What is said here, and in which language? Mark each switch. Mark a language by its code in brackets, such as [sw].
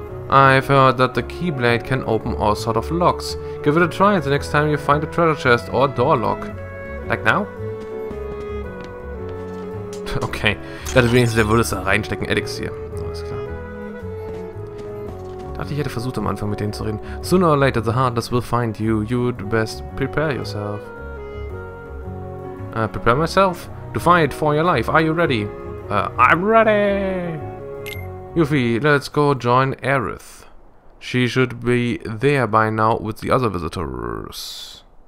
[en] I've heard that the Keyblade can open all sort of locks. Give it a try the next time you find a treasure chest or a door lock. Like now? [de] Okay, dachte wenigstens, der würde es da reinstecken. Elixier. Alles klar. Dachte, ich hätte versucht am Anfang mit denen zu reden. [en] Sooner or later, the Heartless will find you. You'd best prepare yourself. Prepare myself? To fight for your life. Are you ready? I'm ready! Yuffie, let's go join Aerith. She should be there by now with the other visitors.